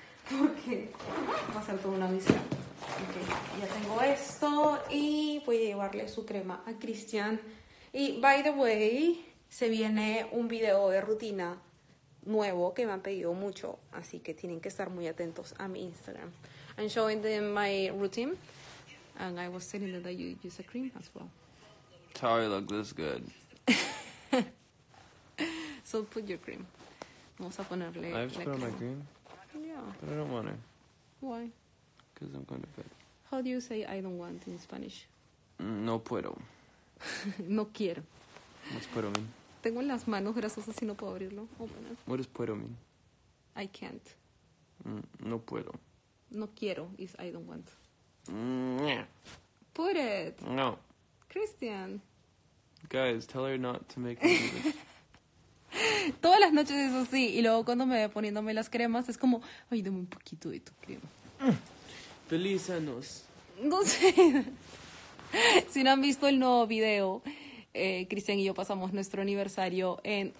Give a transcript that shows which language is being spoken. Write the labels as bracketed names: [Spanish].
[Spanish] Porque va a ser toda una misión. Okay, ya tengo esto y voy a llevarle su crema a Cristian. Y [English] by the way, [Spanish] se viene un video de rutina nuevo que me han pedido mucho. Así que tienen que estar muy atentos a mi Instagram. [English] I'm showing them my routine. And I was telling them that you use a cream as well. Tari look this good. So put your cream. [Spanish] Vamos a ponerle [English] I have to [Spanish] la [English] put on [Spanish] crema. [English] My cream. Yeah. But I don't want to. Why? Because I'm going to bed. How do you say I don't want in Spanish? [Spanish] No puedo. No quiero. [English] What's puedo mean? [Spanish] Tengo las manos grasosas y no puedo abrirlo. [English] Open it. What does puedo mean? I can't. [Spanish] No puedo. No quiero [English] is I don't want. Mm-hmm. Put it. No. Christian. Guys, tell her not to make me do this. [Spanish] Todas las noches eso sí, y luego cuando me voy poniéndome las cremas es como, ay, dame un poquito de tu crema. Feliz años. No sé. Si no han visto el nuevo video, Cristian y yo pasamos nuestro aniversario en.